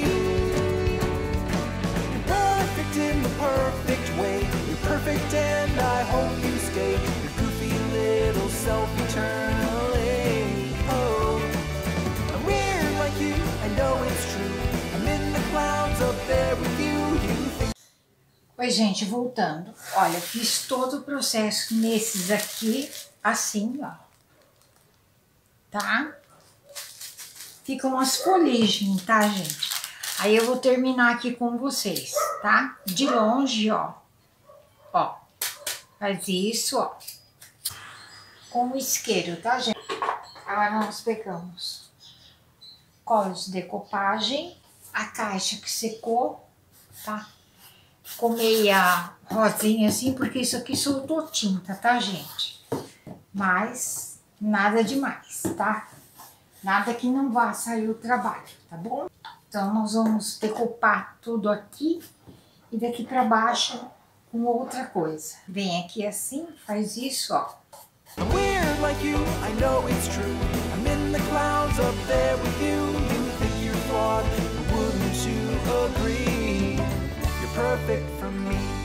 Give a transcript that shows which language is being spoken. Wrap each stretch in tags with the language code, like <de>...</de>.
<en>You're perfect in the perfect way. You're perfect and I hope you stay. Your goofy little self eternally. Oh, I'm weird like you, I know it's true. I'm in the clouds up there with you.</en> <pt>Oi, gente, voltando. Olha, fiz todo o processo nesses aqui, assim, ó. Tá? Ficam as folhagens, tá, gente? Aí eu vou terminar aqui com vocês, tá? De longe, ó. Ó. Faz isso, ó. Com o isqueiro, tá, gente? Agora nós pegamos colos de decoupagem, a caixa que secou, tá? Ficou meia rosinha assim, porque isso aqui soltou tinta, tá, gente? Mas nada demais, tá? Nada que não vá sair o trabalho, tá bom? Então, nós vamos decoupar tudo aqui e daqui pra baixo com outra coisa. Vem aqui assim, faz isso, ó.</pt> <en>I'm weird like you, I know it's true. I'm in the clouds up there with you. You think you're flawed, wouldn't you agree? You're perfect for me.</en>